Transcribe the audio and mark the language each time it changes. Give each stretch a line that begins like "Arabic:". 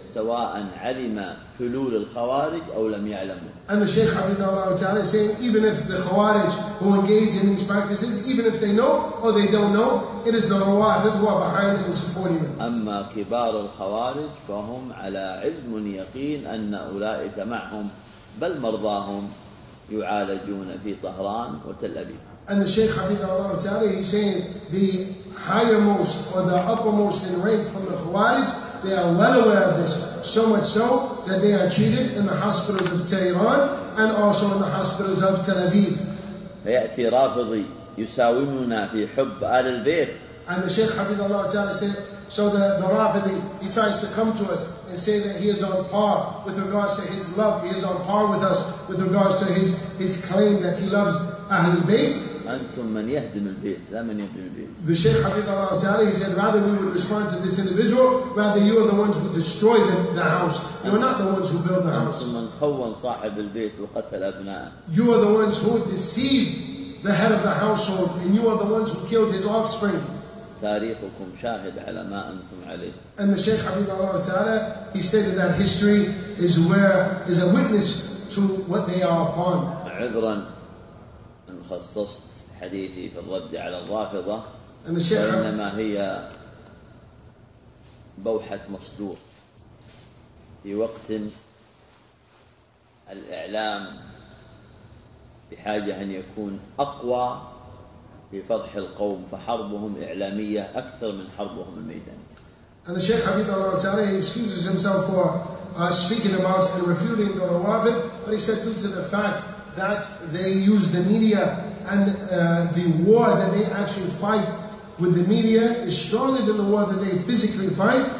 Arabic: سواء علم حلول الخوارج أو لم يعلموا.
English: And the Shaykh Hafidhullah Ta'ala is saying, even if the Khawarij who engage in these practices, even if they know or they don't know, it is the Rawafid who are behind them and supporting them.
Arabic: أما كبار الخوارج فهم على علم يقين أن أولئك معهم بل مرضاهم يعالجون في طهران وتل أبيب.
English: And the Shaykh Hafidhullah Ta'ala, he's saying, the highermost or the uppermost in rank from the Khawarij They are well aware of this. So much so that they are treated in the hospitals of Tehran and also in the hospitals of Tel Aviv.
Arabic: فيأتي رافضي يساومنا في حب آل البيت.
English: And the Sheikh Hafidhullah Ta'ala said, so the Rafidhi, he tries to come to us and say that he is on par with regards to his love, he is on par with us with regards to his claim that he loves Ahlul Bayt.
Arabic: أنتم من يهدم البيت لا من يهدم البيت.
English: The Sheikh Hafidhullah Ta'ala, he said, rather we would respond to this individual, rather you are the ones who destroy the house. You are not the ones who build the house.
Arabic: أنتم من خون صاحب البيت وقتل أبناءه.
English: You are the ones who deceived the head of the household and you are the ones who killed his offspring.
Arabic: تاريخكم شاهد على ما أنتم عليه.
English: And the Sheikh Hafidhullah Ta'ala, he stated that history is a witness to what they are upon.
Arabic: عذرا أن خصصت حديثي في الرد على الرافضة.
English: And the Sheikh
Arabic: فإنما هي بوحة مصدور في وقت الإعلام بحاجة أن يكون أقوى في فضح القوم فحربهم إعلامية أكثر من حربهم الميدان.
English: And the Sheikh Hafidhullah Ta'ala excuses himself for speaking about and refuting the Rawafid, but he said due to the fact that they use the media and the war that they actually fight with the media is stronger than the war that they physically fight.